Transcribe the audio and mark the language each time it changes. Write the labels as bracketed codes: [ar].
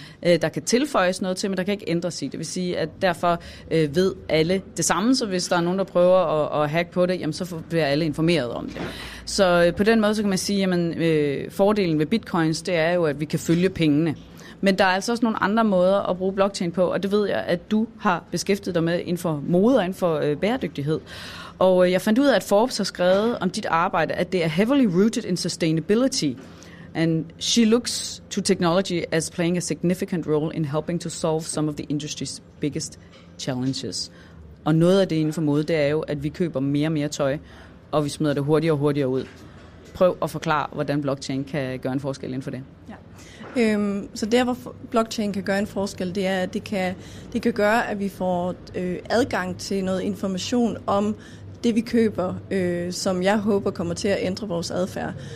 [da] Der kan tilføjes noget til, men der kan ikke ændres i. Det vil sige, at derfor ved alle det samme, så hvis der er nogen, der prøver at hacke på det, jamen så bliver alle informeret om det. Så på den måde, så kan man sige, jamen fordelen ved bitcoins, det er jo, at vi kan følge pengene. Men der er altså også nogle andre måder at bruge blockchain på, og det ved jeg, at du har beskæftiget dig med inden for mode og inden for bæredygtighed. Og jeg fandt ud af, at Forbes har skrevet om dit arbejde, at det er [en] heavily rooted in sustainability, and she looks to technology as playing a significant role in helping to solve some of the industry's biggest challenges. [da] Og noget af det inden for mode, det er jo, at vi køber mere og mere tøj, og vi smider det hurtigere og hurtigere ud. Prøv at forklare, hvordan blockchain kan gøre en forskel inden for det. Ja. Så der, hvor blockchain kan gøre en forskel, det er, at det kan gøre, at vi får adgang til noget information om det, vi køber, som jeg håber kommer til at ændre vores adfærd.